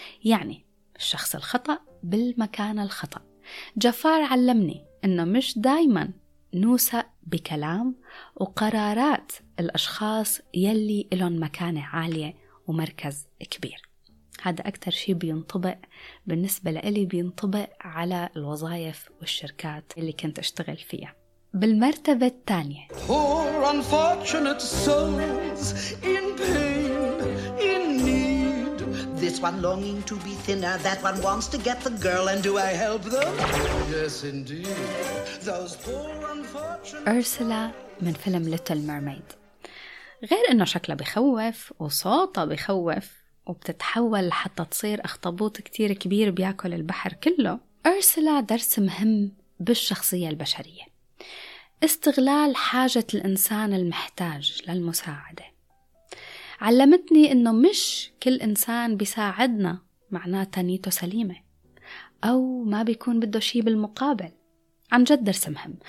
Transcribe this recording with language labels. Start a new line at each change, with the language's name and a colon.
Arabic: يعني الشخص الخطأ بالمكان الخطأ. جفار علمني أنه مش دايماً نوثق بكلام وقرارات الأشخاص يلي لهم مكانة عالية ومركز كبير. هذا أكتر شيء بينطبق بالنسبة لي، بينطبق على الوظائف والشركات اللي كنت أشتغل فيها. بالمرتبة الثانية،
English: Poor unfortunate souls in pain, in need. This one longing to be thinner, that one wants to get the girl, and do I help them? Yes, indeed. Those poor unfortunate.
Arabic: أرسلا من فيلم Little Mermaid. غير إنه شكلها بيخوف وصوتها بيخوف وبتتحول حتى تصير أخطبوط كتير كبير بيأكل البحر كله، أرسلا درس مهم بالشخصية البشرية. استغلال حاجة الإنسان المحتاج للمساعدة علمتني إنه مش كل إنسان بيساعدنا معناته نيته سليمة أو ما بيكون بده شي بالمقابل. عن جد درس مهم.